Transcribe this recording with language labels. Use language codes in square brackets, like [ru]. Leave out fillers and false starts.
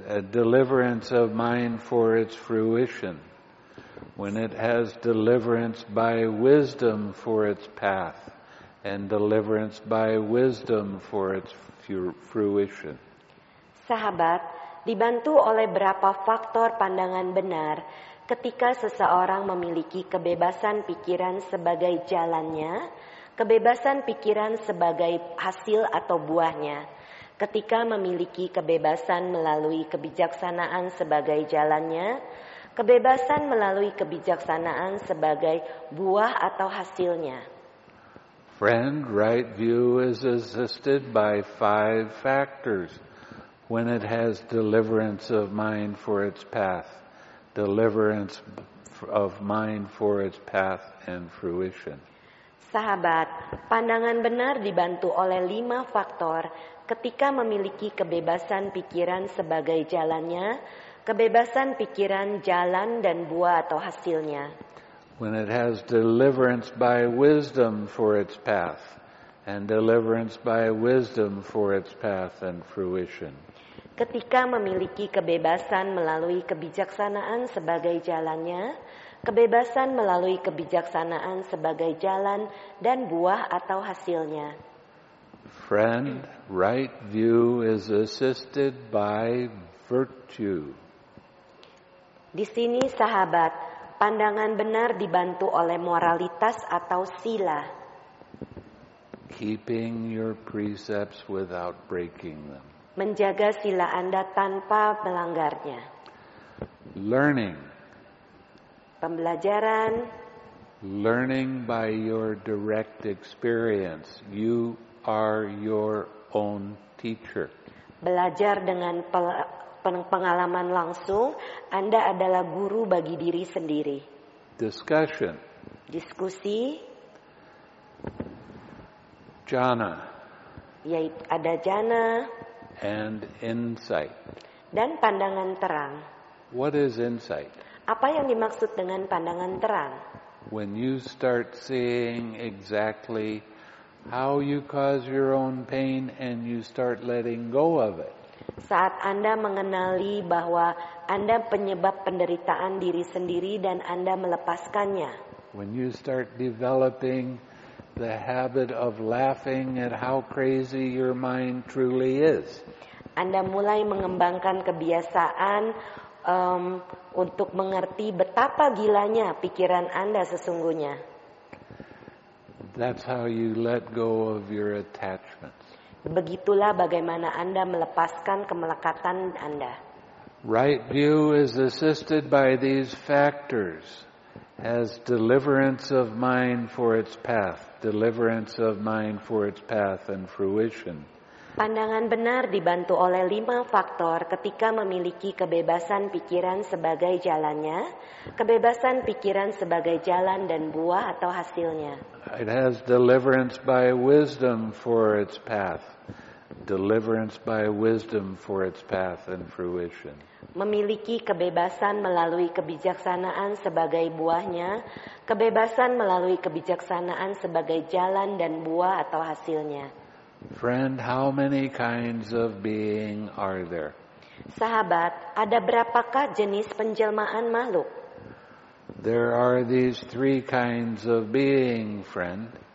[en] Deliverance of mind for its fruition. When it has deliverance by wisdom for its path and deliverance by wisdom for its fruition. [id] Sahabat, dibantu oleh berapa faktor pandangan benar ketika seseorang memiliki kebebasan pikiran sebagai jalannya, kebebasan pikiran sebagai hasil atau buahnya, ketika memiliki kebebasan melalui kebijaksanaan sebagai jalannya, kebebasan melalui kebijaksanaan sebagai buah atau hasilnya. [en] Friend, right view is assisted by five factors when it has deliverance of mind for its path. Deliverance of mind for its path and fruition. [id] Sahabat, pandangan benar dibantu oleh 5 faktor ketika memiliki kebebasan pikiran sebagai jalannya, kebebasan pikiran jalan dan buah atau hasilnya. [en] When it has deliverance by wisdom for its path, and deliverance by wisdom for its path and fruition. [id] Ketika memiliki kebebasan melalui kebijaksanaan sebagai jalannya, kebebasan melalui kebijaksanaan sebagai jalan dan buah atau hasilnya. [en] Friend, right view is assisted by virtue. [id] Di sini sahabat, pandangan benar dibantu oleh moralitas atau sila. [en] Keeping your precepts without breaking them. [id] Menjaga sila Anda tanpa melanggarnya. [en] Learning. [id] Pembelajaran. [en] Learning by your direct experience. You are your own teacher. [id] Belajar dengan pengalaman langsung, Anda adalah guru bagi diri sendiri. [en] Discussion. [id] Diskusi. [en] Jhana. [id] Yaitu ada jhana. [en] And insight. [id] Dan pandangan terang. [en] What is insight? [id] Apa yang dimaksud dengan pandangan terang? [en] When you start seeing exactly how you cause your own pain and you start letting go of it. [id] Saat Anda mengenali bahwa Anda penyebab penderitaan diri sendiri dan Anda melepaskannya. [en] When you start developing the habit of laughing at how crazy your mind truly is. [id] Anda mulai mengembangkan kebiasaan untuk mengerti betapa gilanya pikiran Anda sesungguhnya. [en] That's how you let go of your attachments. [id] Begitulah bagaimana Anda melepaskan kemelekatan Anda. [en] Right view is assisted by these factors. Has deliverance of mind for its path. Deliverance of mind for its path and fruition. [id] Pandangan benar dibantu oleh 5 faktor ketika memiliki kebebasan pikiran sebagai jalannya, kebebasan pikiran sebagai jalan dan buah atau hasilnya. [en] It has deliverance by wisdom for its path. Deliverance by wisdom for its path and fruition. [id] Memiliki kebebasan melalui kebijaksanaan sebagai buahnya, kebebasan melalui kebijaksanaan sebagai jalan dan buah atau hasilnya. [en] Friend, how many kinds of being are there? [id] Sahabat, ada berapakah jenis penjelmaan makhluk? [en] There are these 3 kinds of being, friend.